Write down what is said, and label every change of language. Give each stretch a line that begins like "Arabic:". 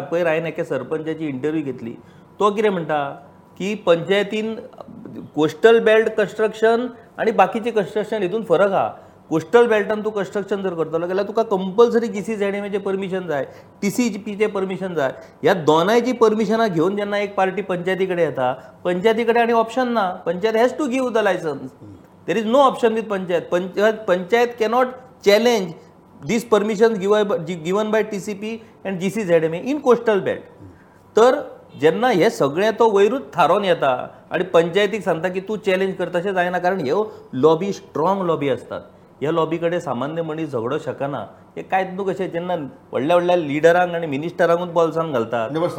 Goan Konkani: पयर हांवें एका सरपंचाची इंटरव्यू घेतली, तो कितें म्हणटा की पंचायतीन कोस्टल बेल्ट कन्स्ट्रक्शन आणि बाकीचे कन्स्ट्रक्शन हेतून फरक आहा. कोस्टल बेल्टान तू कंस्ट्रक्शन जर करतलो जाल्यार तुका कंपलसरी जी सी झेड एम ए चें परमिशन जाय, टी सी पी चें परमिशन जाय. ह्या दोनांयची परमिशनां घेवन जेन्ना एक पार्टी पंचायती कडेन येता, पंचायती कडेन आनी ऑप्शन ना.
English: Panchayat has to give the licence. There is no option with panchayat. Panchayat cannot challenge this permission given by T C P and G C Z M A in coastal belt.
Goan Konkani: तर जेन्ना हे सगळें तो वयरूच थारोवन येता आणि पंचायतीक सांगता की तू चॅलेंज कर तशें जायना, कारण ह्यो लॉबी स्ट्रॉंग लॉबी असतात. ह्या लॉबी कडेन सामान्य मनीस झगडो शकना. हे कायद न्हू कशें जेन्ना व्हडल्या व्हडल्या लिडरांक आणि मिनिस्टरांकूच बोल्सांक घालतात.